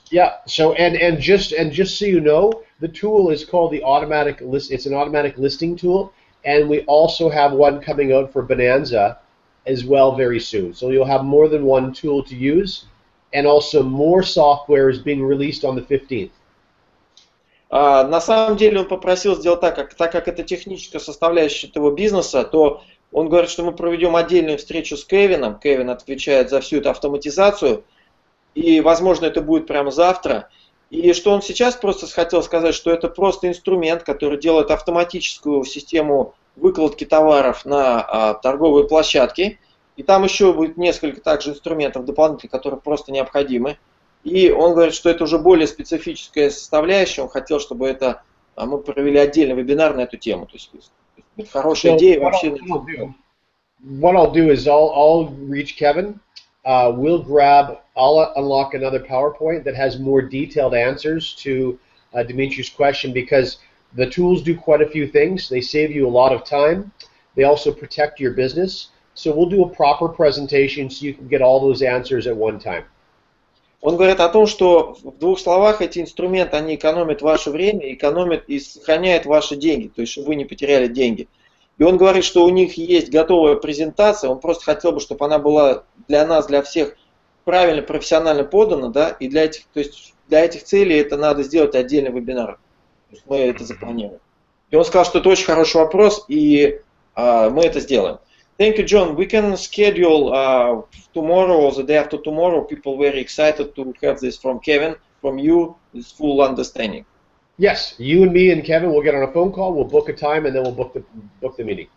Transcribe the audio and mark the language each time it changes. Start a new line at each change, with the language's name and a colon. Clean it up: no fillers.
English: Yeah, so and just so you know, the tool is called the automatic list. It's an automatic listing tool, and we also have one coming out for Bonanza as well very soon. So you'll have more than one tool to use, and also more software is being released on the 15th.
Russian: На самом деле он попросил сделать так как это техническая составляющая этого бизнеса, то он говорит, что мы проведем отдельную встречу с Кевином. Кевин отвечает за всю эту автоматизацию, и, возможно, это будет прямо завтра. И что он сейчас просто хотел сказать, что это просто инструмент, который делает автоматическую систему выкладки товаров на торговые площадки. И там еще будет несколько также инструментов дополнительных, которые просто необходимы. И он говорит, что это уже более специфическая составляющая. Он хотел, чтобы это мы провели отдельный вебинар на эту тему. То есть хорошая идея вообще.
English: What I'll do is I'll reach Kevin. We'll grab. I'll unlock another PowerPoint that has more detailed answers to Dimitri's question, because the tools do quite a few things. They save you a lot of time. They also protect your business. So we'll do a proper presentation so you can get all those answers at one time.
Russian: Он говорит о том, что в двух словах эти инструменты, они экономят ваше время, экономят и сохраняют ваши деньги, то есть чтобы вы не потеряли деньги. И он говорит, что у них есть готовая презентация, он просто хотел бы, чтобы она была для нас, для всех правильно, профессионально подана, да, и для этих, то есть для этих целей это надо сделать отдельный вебинар. То есть мы это запланируем. И он сказал, что это очень хороший вопрос, и мы это сделаем.
English: Thank you, John. We can schedule tomorrow or the day after tomorrow. People very excited to have this from Kevin, from you, this full understanding. Yes, you and me and Kevin will get on a phone call, we'll book a time, and then we'll book the meeting.